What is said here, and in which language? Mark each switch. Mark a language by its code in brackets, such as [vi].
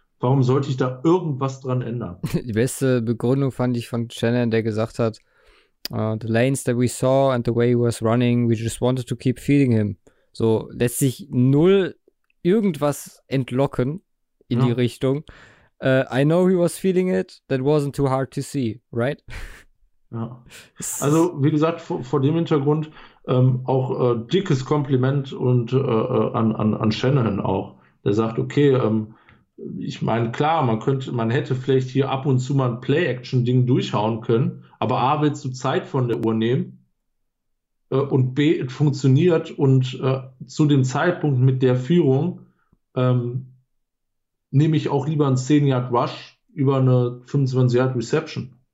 [de] Warum sollte ich da irgendwas dran ändern? Die beste Begründung fand ich von Shannon, der gesagt hat, [en] the lanes that we saw and the way he was running, we just wanted to keep feeding him. [de] So lässt sich null irgendwas entlocken in die Richtung. [en] I know he was feeling it, that wasn't too hard to see, right? [de] Ja. Also, wie gesagt, vor dem Hintergrund auch dickes Kompliment und an Shannon auch. Der sagt, okay, ich meine, klar, man hätte vielleicht hier ab und zu mal ein Play-Action-Ding durchhauen können, aber A, willst du Zeit von der Uhr nehmen und B, es funktioniert und zu dem Zeitpunkt mit der Führung nehme ich auch lieber einen 10-Yard-Rush über eine 25-Yard-Reception.